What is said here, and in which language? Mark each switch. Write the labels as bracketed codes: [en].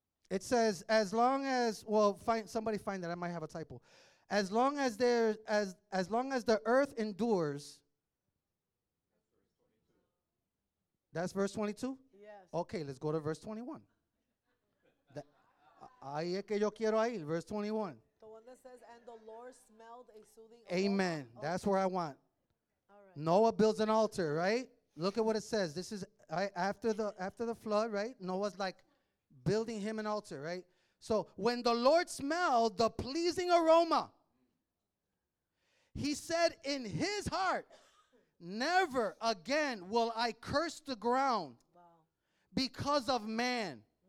[en] It says, as long as, well, somebody find that. I might have a typo. As long as the earth endures, that's verse 22? Yes. Okay, let's go to verse 21. [es] Ahí es que yo quiero ahí, [en] verse 21. The one that says, and the Lord smelled a soothing aroma. Amen. Okay. That's where I want. All right. Noah builds an altar, right? Look at what it says. This is after the flood, right? Noah's like building him an altar, right? So when the Lord smelled the pleasing aroma, he said in his heart, never again will I curse the ground because of man.